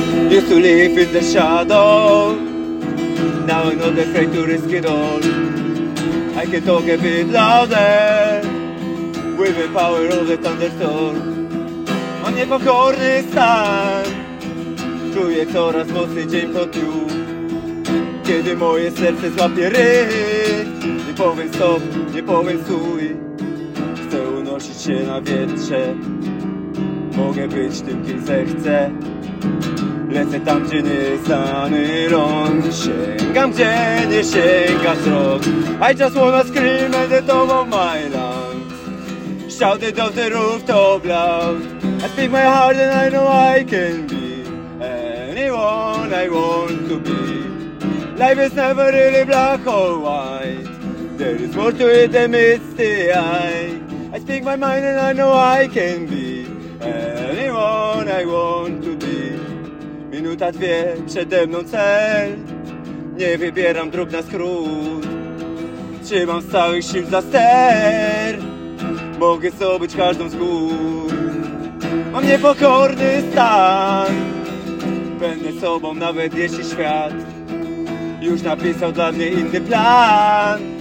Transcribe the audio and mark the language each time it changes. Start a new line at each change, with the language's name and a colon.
English: used to live in the shadow. Now I'm not afraid to risk it all. I can talk a bit louder with the power of the thunderstorm.
Polish: On niepokorny stan czuję coraz mocniej dzień po dniu. Kiedy moje serce złapie rytm, nie powiem stop, nie powiem stój. Chcę unosić się na wietrze, mogę być tym, kim zechcę. Lecę tam, gdzie nieznany rąk, sięgam, gdzie nie sięga wzrok.
English: I just wanna scream at the top of my lungs, shout it off the rooftop loud. I speak my heart and I know I can be anyone I want to be. Life is never really black or white, there is more to it than meets the eye. I speak my mind and I know I can be anyone I want to be.
Polish: Minuta, dwie, przede mną cel, nie wybieram dróg na skrót. Trzymam z całych sił za ster, mogę zdobyć każdą z gór. Mam niepokorny stan, będę sobą nawet jeśli świat już napisał dla mnie inny plan.